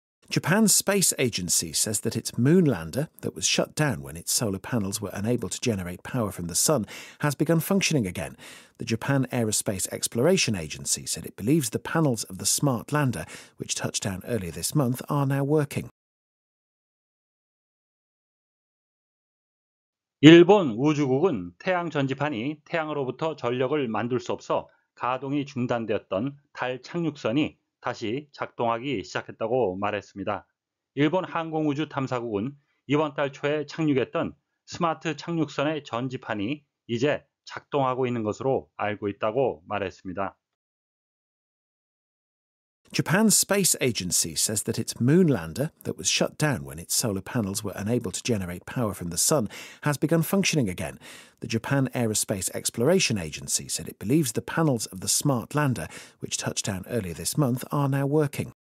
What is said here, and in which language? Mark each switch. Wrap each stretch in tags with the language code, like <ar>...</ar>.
<en>Japan's space agency says that its moon lander, that was shut down when its solar panels were unable to generate power from the sun, has begun functioning again. The Japan Aerospace Exploration Agency said it believes the panels of the smart lander, which touched down earlier this month, are now working.</en> <ko>일본 우주국은 태양 전지판이 태양으로부터 전력을 만들 수 없어 가동이 중단되었던 달 착륙선이 다시 작동하기 시작했다고 말했습니다. 일본 항공우주탐사국은 이번 달 초에 착륙했던 스마트 착륙선의 전지판이 이제 작동하고 있는 것으로 알고 있다고 말했습니다.</ko> <en>Japan's space agency says that its moon lander, that was shut down when its solar panels were unable to generate power from the sun, has begun functioning again. The Japan Aerospace Exploration Agency said it believes the panels of the smart lander, which touched down earlier this month, are now working.</en>